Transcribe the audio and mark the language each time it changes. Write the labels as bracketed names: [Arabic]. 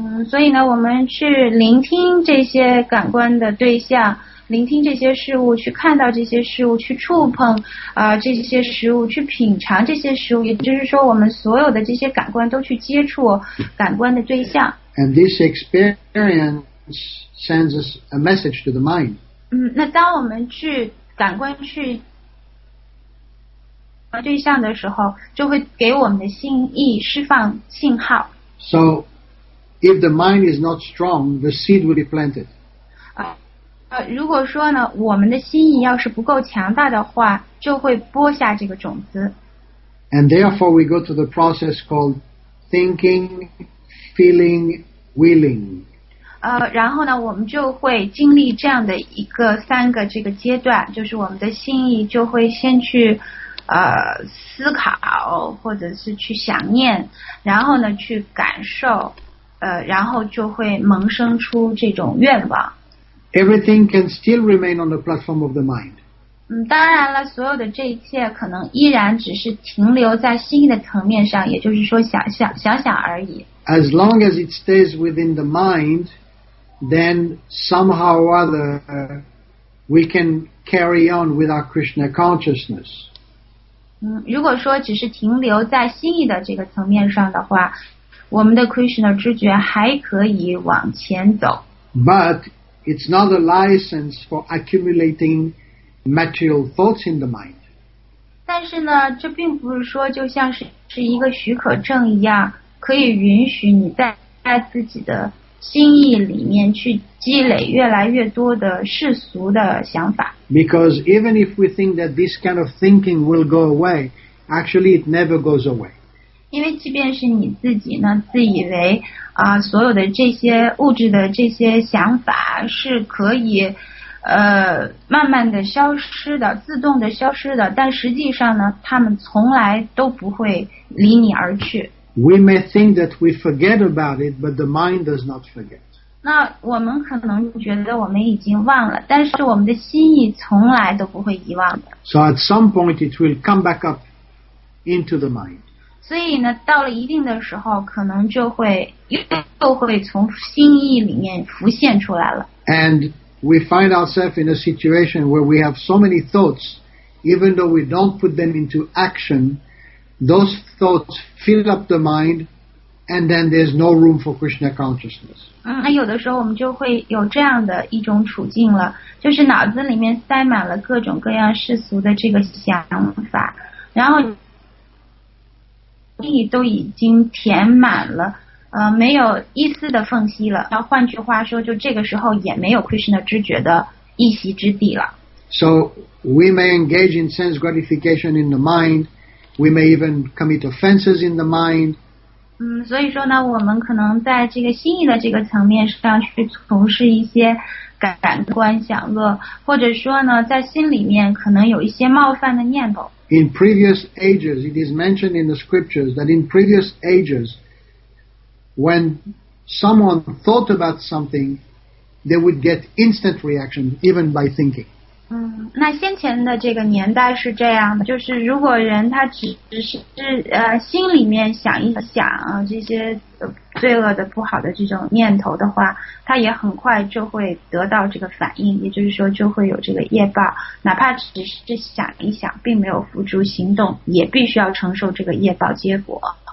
[Chinese] 所以呢，我们去聆听这些感官的对象，聆听这些事物，去看到这些事物，去触碰这些食物，去品尝这些食物，也就是说，我们所有的这些感官都去接触感官的对象。 [English] And this experience sends us a message to the mind. [Chinese] 那当我们去感官去对象的时候，就会给我们的心意释放信号。 [English] So, if the mind is not strong, the seed will be planted. [Chinese] 如果说呢，我们的心意要是不够强大的话，就会播下这个种子。 [English] And therefore, we go to the process called thinking, feeling, willing. [Chinese] 然后呢，我们就会经历这样的一个三个这个阶段，就是我们的心意就会先去。思考或者是去想念，然后呢去感受，然后就会萌生出这种愿望。 [English] Everything can still remain on the platform of the mind. [Chinese] 当然了，所有的这一切可能依然只是停留在心意的层面上，也就是说想而已。 [English] As long as it stays within the mind, then somehow or other, we can carry on with our Krishna consciousness. [Chinese] 如果说只是停留在心意的这个层面上的话，我们的 Krishna 知觉还可以往前走。 [English] But it's not a license for accumulating material thoughts in the mind. [Chinese] 但是呢，这并不是说就像是一个许可证一样，可以允许你在自己的心意里面去积累越来越多的世俗的想法。 [English] Because even if we think that this kind of thinking will go away, actually it never goes away. [Chinese] 因为即便是你自己呢，自以为所有的这些物质的这些想法是可以慢慢的消失的，自动的消失的，但实际上呢，他们从来都不会离你而去。 [English] We may think that we forget about it, but the mind does not forget. [Chinese] 那我们可能觉得我们已经忘了，但是我们的心意从来都不会遗忘的。 [English] So at some point it will come back up into the mind. [Chinese] 所以呢，到了一定的时候，可能就会又会从心意里面浮现出来了。 [English] And we find ourselves in a situation where we have so many thoughts, even though we don't put them into action. Those thoughts fill up the mind, and then there's no room for Krishna consciousness. [Chinese] 那有的时候我们就会有这样的一种处境了，就是脑子里面塞满了各种各样世俗的这个想法，然后意都已经填满了，没有一丝的缝隙了。然后换句话说，就这个时候也没有 Krishna 知觉的一席之地了。 [English] So we may engage in sense gratification in the mind. We may even commit offenses in the mind. [Chinese] 所以说呢，我们可能在这个心意的这个层面上去从事一些感官享乐，或者说呢，在心里面可能有一些冒犯的念头。 [English] In previous ages, it is mentioned in the scriptures that in previous ages, when someone thought about something, they would get instant reaction even by thinking. [Chinese] 那先前的这个年代是这样的，就是如果人他只是心里面想一想啊，这些罪恶的不好的这种念头的话，他也很快就会得到这个反应，也就是说就会有这个业报，哪怕只是想一想，并没有付诸行动，也必须要承受这个业报结果。